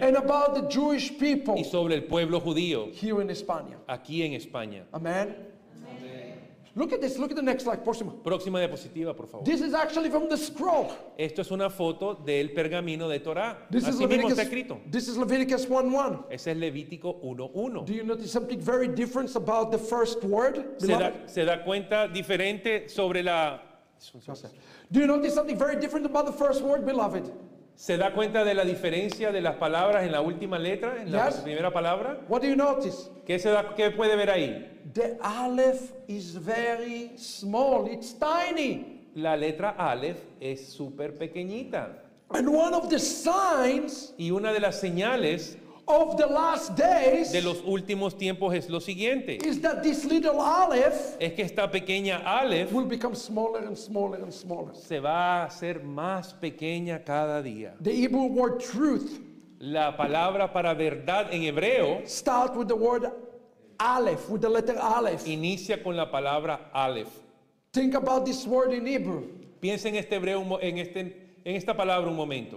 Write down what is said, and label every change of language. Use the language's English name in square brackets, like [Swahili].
[English] and about the Jewish people, [Spanish] y sobre el pueblo judío [English] here in España. [Spanish] Aquí en España. [English] Amen. Look at this. Look at the next slide. Próxima. [Spanish] Próxima diapositiva, por favor. [English] This is actually from the scroll. [Spanish] Esto es una foto del pergamino de Torah. [English] This [Spanish] Así [English] is Leviticus, [Spanish] mismo está escrito. [English] This is Leviticus 1:1. [Spanish] Ese es Levítico 1:1. [English] Do you notice something very different about the first word? [Spanish] Se da cuenta diferente sobre la [English] Do you notice something very different about the first word, beloved? [Spanish] ¿Se da cuenta de la diferencia de las palabras en la última letra, en la primera palabra? [English] What do you notice? [Spanish] ¿Qué puede ver ahí? [English] The aleph is very small. It's tiny. [Spanish] La letra aleph es súper pequeñita. [English] And one of the signs [Spanish] y una de las señales [English] of the last days [Spanish] de los últimos tiempos es lo siguiente. [English] Is that this little aleph [Spanish] es que esta pequeña aleph [English] will become smaller and smaller and smaller. [Spanish] Se va a hacer más pequeña cada día. [English] The Hebrew word truth, [Spanish] la palabra para verdad en hebreo, [English] start with the word aleph, with the letter aleph. [Spanish] Inicia con la palabra aleph. [English] Think about this word in Hebrew. [Spanish] Piensa en este hebreo en esta palabra un momento.